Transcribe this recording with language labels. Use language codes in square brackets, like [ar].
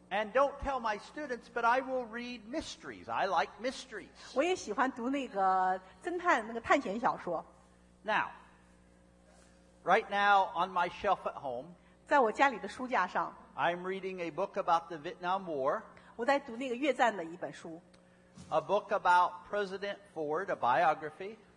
[en] And don't tell my students, but I will read mysteries. I like mysteries. [zh] 我也喜欢读那个侦探，那个探险小说。 [en] Now,Right now, on my shelf at home, [zh] 在我家里的书架上 [en] I'm reading a book about the Vietnam War. [zh] 我在读那个越战的一本书 [en] A book about President Ford, a biography.